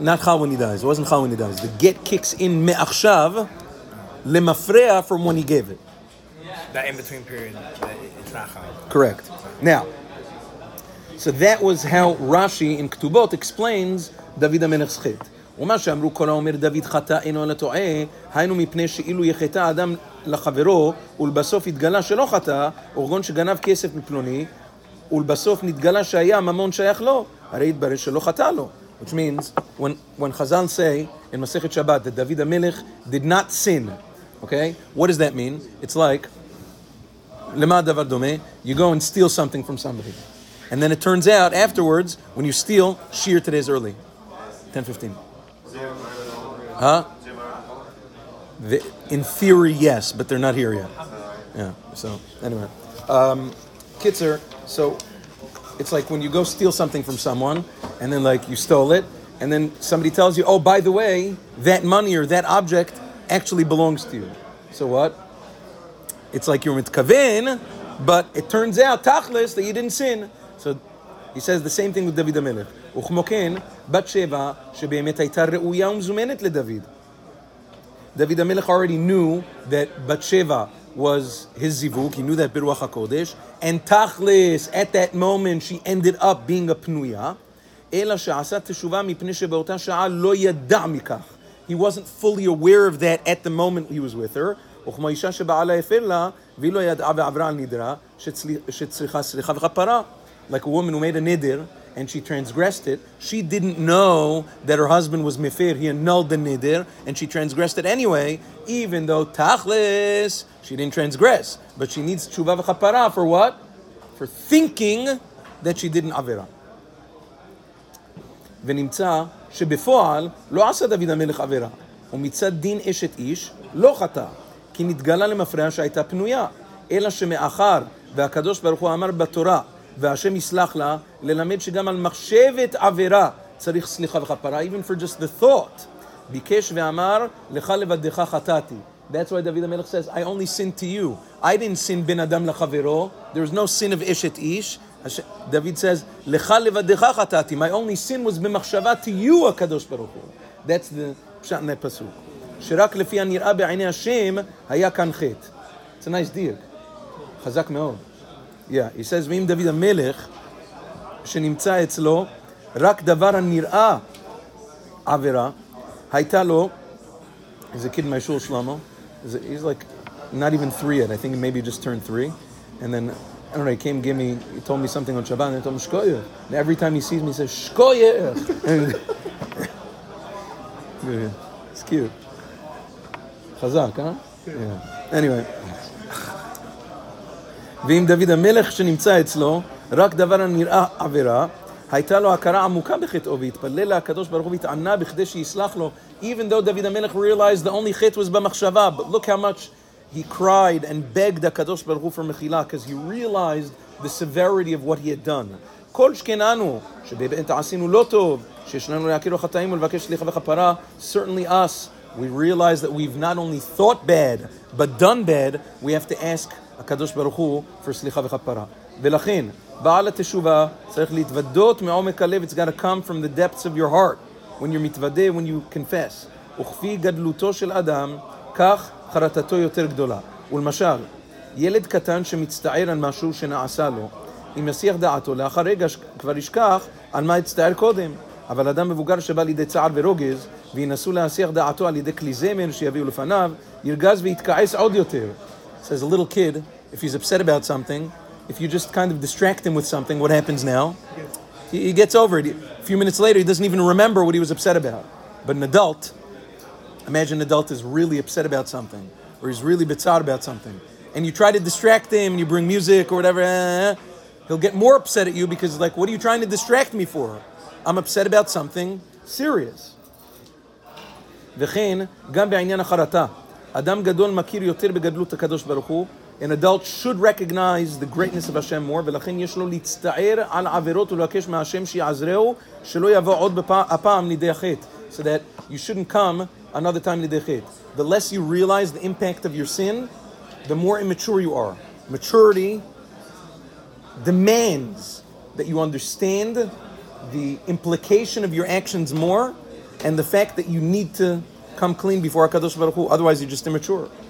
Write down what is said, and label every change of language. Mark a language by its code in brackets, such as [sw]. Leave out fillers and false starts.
[en] Not chal when he dies. It wasn't chal when he dies. The get kicks in [he] me'achshav lemafreya [en] from when he gave it. That in between period, it's not chal. Correct. Now, so that was how Rashi in Ketubot explains David HaMelech's chet. [he] ומה שאמרו כל האומר דוד חטא אינו אלא טועה, היינו מפני שאילו יחטא אדם לחברו, ולבסוף התגלה שלא חטא, אורגון שגנב כסף מפלוני, ולבסוף נתגלה שהיה ממון שייך לו, הרי התברר שלא חטא לו. [en] Which means, when Chazal say, in מסכת שבת, that דוד המלך did not sin, okay? What does that mean? It's like, [he] למה הדבר דומה? [en] You go and steal something from somebody. And then it turns out, afterwards, when you steal, shear today's early. 10:15. Huh? In theory, yes, but they're not here yet. Yeah, so, anyway. Kitzer, so, it's like when you go steal something from someone, and then, like, you stole it, and then somebody tells you, oh, by the way, that money or that object actually belongs to you. So what? It's like you're mitkaven, but it turns out, tachlis, that you didn't sin. So, he says the same thing with David HaMelech. [he] וכמוכן, בת שבע, שבאמת הייתה ראויה ומזומנת לדוד. דוד המלך [en] already knew that [he] בת שבע [en] was his zivuk. He knew that Biruach HaKodesh. And tachlis, at that moment, she ended up being a pnuya. [he] Ela she'asa teshuvah mipnei she'baotah sha'a lo yada mikach. [en] He wasn't fully aware of that at the moment he was with her. [he] וכמו אישה שבעלה הפר לה, והיא לא ידעה ועברה על נדרה, שצריכה סליחה וכפרה. [en] Like a woman who made a nidr, and she transgressed it, she didn't know that her husband was mefir, he annulled the nidr, and she transgressed it anyway, even though tachlis, she didn't transgress. But she needs [he] תשובה וכפרה, [en] for what? For thinking that she didn't עבירה. [he] ונמצא שבפועל לא עשה דוד המלך עבירה, ומצד דין אשת איש לא חטא, כי נתגלה למפרע שהייתה פנויה, אלא שמאחר, והקדוש ברוך הוא אמר בתורה, והשם יסלח לה, ללמד שגם על מחשבת עבירה צריך סליחה וכפרה, [en] even for just the thought, [he] ביקש ואמר, לך לבדך חטאתי. [en] That's why דוד המלך says, I only sinned to you. I didn't sin בן אדם לחברו. There was no sin of אשת איש. [he] דוד says, לך לבדך חטאתי. [en] My only sin was במחשבה to you, הקדוש ברוך הוא. That's the [he] פשט מהפסוק. שרק לפי הנראה בעיני השם, היה כאן חטא. [en] It's a nice deal. [he] חזק מאוד. [en] Yeah, he says, [he] ואם דוד המלך, שנמצא אצלו, רק דבר הנראה עבירה, הייתה לו, [en] he's a kid in my shul, Shlomo, he's like, not even three yet, I think maybe he just turned three, and then, I don't know, he came, gave me, he told me something on Shabbat, and I told him, Shkoye. And every time he sees me, he says, Shkoye. It's cute. [he] חזק, אה? כן. [en] Anyway. [he] ואם דוד המלך שנמצא אצלו, רק דבר הנראה עבירה, הייתה לו הכרה עמוקה בחטאו, והתפלל לה הקדוש ברוך הוא והתענה בכדי שיסלח לו, [en] even though דוד המלך realized the only חטא was במחשבה, but look how much he cried and begged הקדוש ברוך הוא for מחילה, because he realized the severity of what he had done. [he] כל שכננו, שבאמת עשינו לא טוב, שיש לנו להכיר החטאים ולבקש סליחה וכפרה, [en] certainly us, we realize that we've not only thought bad, but done bad, we have to ask HaKadosh Baruch Hu for [he] slicha v'chapara. ולכן, בעל התשובה צריך להתוודות מעומק הלב, [en] it's got to come from the depths of your heart, when you're מתוודה, when you confess. [he] וכפי גדלותו של אדם, כך חרטתו יותר גדולה. ולמשל, ילד קטן שמצטער על משהו שנעשה לו, אם ישיח דעתו, לאחר רגע כבר ישכח על מה הצטער קודם. אבל אדם מבוגר שבא לידי צער ורוגז, וינסו להסיח דעתו על ידי כלי זמר שיביאו לפניו, ירגז ויתכעס עוד יותר. [en] Says a little kid, if he's upset about something, if you just kind of distract him with something, what happens now? He gets over it. A few minutes later, he doesn't even remember what he was upset about. But an adult, imagine an adult is really upset about something, or he's really bitzar about something. And you try to distract him, and you bring music or whatever, he'll get more upset at you because like, what are you trying to distract me for? I'm upset about something serious. [he] וכן, גם בעניין החרטה, אדם גדול מכיר יותר בגדלות הקדוש ברוך הוא, [en] an adult should recognize the greatness of Hashem more, [he] ולכן יש לו להצטער על עבירות ולבקש מהשם שיעזרו, שלא יבוא עוד הפעם לידי החטא, [en] so that you shouldn't come another time [he] לידי חטא. [en] The less you realize the impact of your sin, the more immature you are. Maturity demands that you understand the implication of your actions more, and the fact that you need to come clean before HaKadosh Baruch Hu, otherwise you're just immature.